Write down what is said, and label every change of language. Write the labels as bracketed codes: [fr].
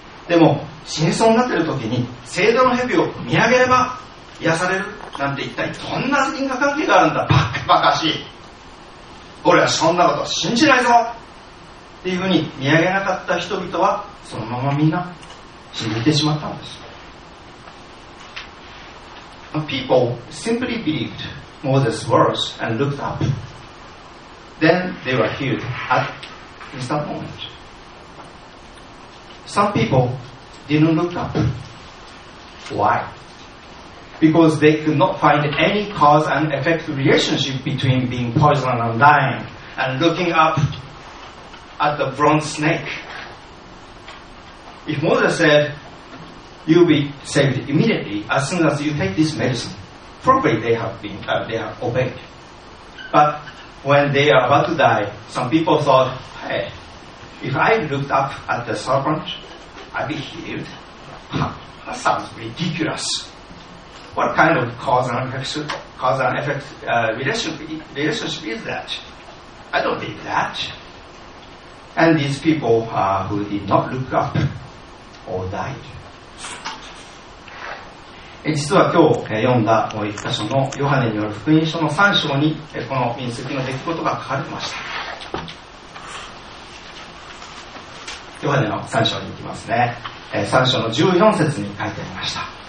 [ja] でも死にそうになっている時に聖堂の蛇を見上げれば癒されるなんて一体どんな因果関係があるんだ、バカバカしい、俺はそんなこと信じないぞっていうふうに見上げなかった人々はそのままみんな死んでいてしまったんです。 [en] People simply believed Moses' words and looked up. Then they were healed at instant moment. Some people didn't look up. Why? Because they could not find any cause and effect relationship between being poisoned and dying and looking up at the bronze snake. If Moses said, you'll be saved immediately as soon as you take this medicine, probably they have obeyed. But when they are about to die, some people thought, hey, if I looked up at the serpent, I'd be healed. That sounds ridiculous. What kind of cause and effect relationship is that? I don't believe that. And these people who did not look up all died. [ja] 実は今日読んだもう一箇所のヨハネによる福音書の3章にこの民数記の出来事が書かれてました。ヨハネの3章に行きますね。3章の14節に書いてありました。